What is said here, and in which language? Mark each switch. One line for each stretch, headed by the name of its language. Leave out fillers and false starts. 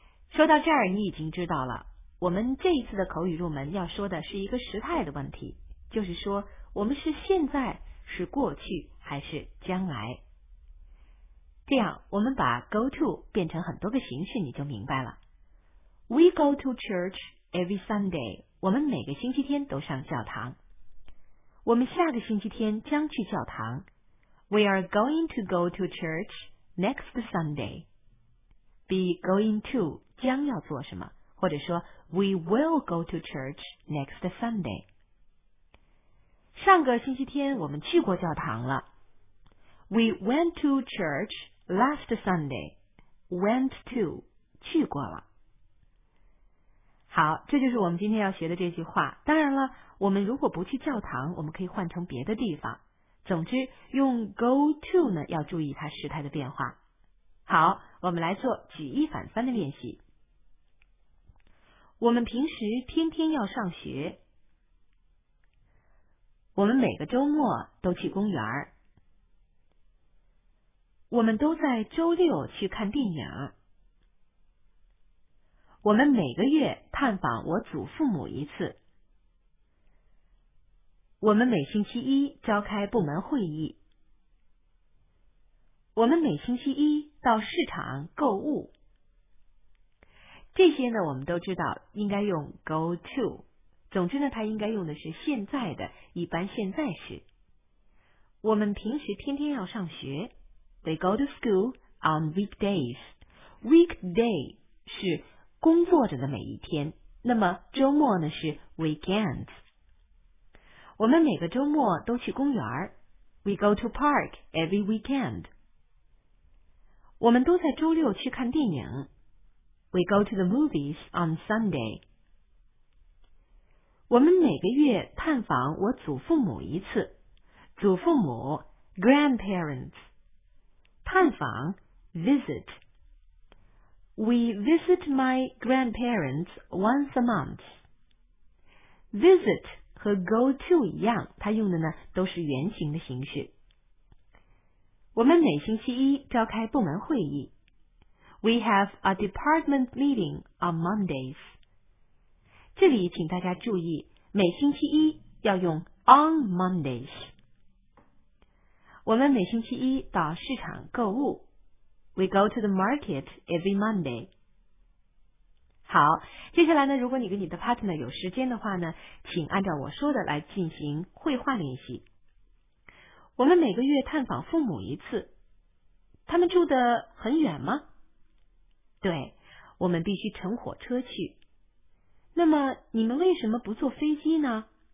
Chinese: 说到这儿你已经知道了，我们这一次的口语入门要说的是一个时态的问题，就是说我们是现在，是过去，还是将来。这样我们把 go to 变成很多个形式你就明白了。
English: We go to church every Sunday,
Chinese: 我们每个星期天都上教堂。我们下个星期天将去教堂。
English: We are going to go to church next Sunday. Be going to,
Chinese: 将要做什么，或者说
English: We will go to church next Sunday.
Chinese: 上个星期天我们去过教堂了。
English: We went to church last Sunday.
Chinese: Went to, 去过了。好，这就是我们今天要学的这句话。当然了，我们如果不去教堂，我们可以换成别的地方。总之，用 go to 呢，要注意它时态的变化。好，我们来做举一反三的练习。我们平时天天要上学。我们每个周末都去公园。我们都在周六去看电影。我们每个月探访我祖父母一次。我们每星期一召开部门会议。我们每星期一到市场购物。这些呢，我们都知道应该用 go to。总之呢，它应该用的是现在的一般现在时。我们平时天天要上学。
English: We go to school on weekdays.
Chinese: Weekday 是工作着的每一天，那么周末呢是 weekends。我们每个周末都去公园。
English: We go to park every weekend。
Chinese: 我们都在周六去看电影。
English: We go to the movies on Sunday.
Chinese: 我们每个月探访我祖父母一次。祖父母 grandparents. 探访 visit.
English: We visit my grandparents once a month.
Chinese: Visit 和 go to 一样，它用的呢都是原形的形式。我们每星期一召开部门会议。
English: We have a department meeting on Mondays.
Chinese: 这里请大家注意，每星期一要用
English: on Mondays。
Chinese: 我们每星期一到市场购物。
English: We go to the market every Monday.
Chinese: 好，接下来呢，如果你跟你的 partner 有时间的话呢，请按照我说的来进行绘画练习。我们每个月探访父母一次，他们住得很远吗？对，我们必须乘火车去。那么你们为什么不坐飞机呢？